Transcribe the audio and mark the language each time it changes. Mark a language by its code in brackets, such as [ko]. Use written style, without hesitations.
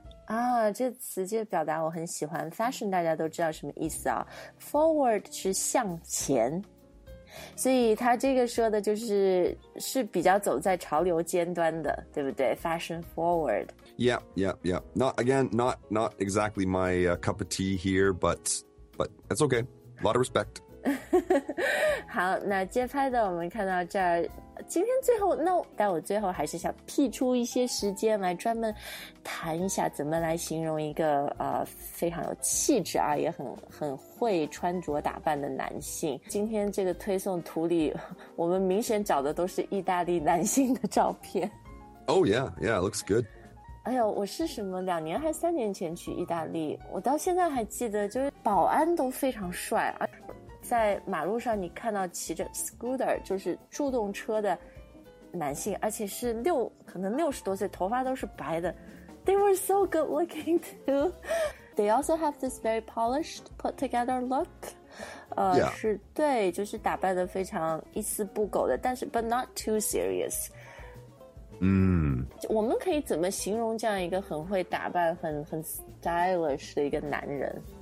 [zh] 啊，这词就表达我很喜欢 fashion， 大家都知道什么意思啊 ？Forward 是向前，所以他这个说的就是是比较走在潮流尖端的，对不对 ？Fashion forward。 [en] Yeah, yeah, yeah. Not again. Not exactly my cup of tea here, but that's okay. A lot of respect. [zh] 好，那接拍的我们看到这儿。今天最后 no， 但我最后还是想辟出一些时间来专门谈一下怎么来形容一个非常有气质啊，也很会穿着打扮的男性。今天这个推送图里，我们明显找的都是意大利男性的照片。 [en] Oh yeah, yeah, looks good. [zh] 哎呦，我是什么两年还是三年前去意大利，我到现在还记得，就是保安都非常帅啊。在马路上你看到骑着 scooter 就是助动车的男性，而且是可能六十多岁，头发都是白的。 [en] They were so good looking too. They also have this very polished put together look. Yeah. [zh] 是，对，就是打扮得非常一丝不苟的，但是 [en] but not too serious. [zh] 我们可以怎么形容这样一个很会打扮很 stylish 的一个男人？